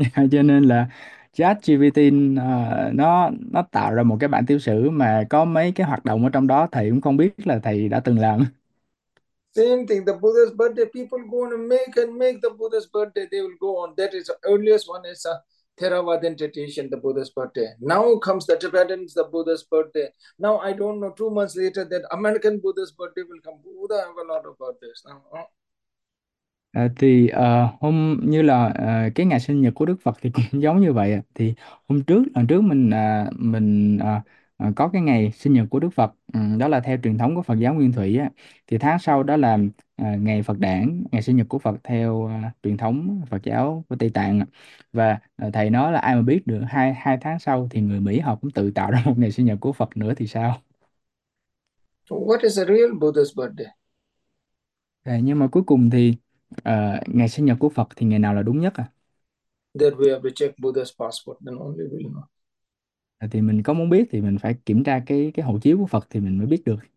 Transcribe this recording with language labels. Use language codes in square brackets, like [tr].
[vi] Cho nên là ChatGPT nó tạo ra một cái bản tiểu sử mà có mấy cái hoạt động ở trong đó thầy cũng không biết là thầy đã từng làm. [en] Same thing, the Buddha's birthday, people go on and make the Buddha's birthday, they will go on. That is the earliest one is a Theravada meditation, the Buddha's birthday. Now comes the Tibetans, the Buddha's birthday. Now I don't know, 2 months later, that American Buddha's birthday will come. Buddha have a lot of birthdays now. [vi] Thì hôm như là cái ngày sinh nhật của Đức Phật thì cũng giống như vậy. Thì hôm trước lần trước mình có cái ngày sinh nhật của Đức Phật, đó là theo truyền thống của Phật giáo Nguyên Thủy á, thì tháng sau đó là ngày Phật đản, ngày sinh nhật của Phật theo truyền thống Phật giáo của Tây Tạng. Và thầy nói là ai mà biết được hai hai tháng sau thì người Mỹ họ cũng tự tạo ra một ngày sinh nhật của Phật nữa thì sao. [en] What is a real Buddha's birthday? [vi] Nhưng mà cuối cùng thì ngày sinh nhật của Phật thì ngày nào là đúng nhất à? [en] That we have to check Buddha's passport, then only we will know. [vi] Thì mình có muốn biết thì mình phải kiểm tra cái hộ chiếu của Phật thì mình mới biết được.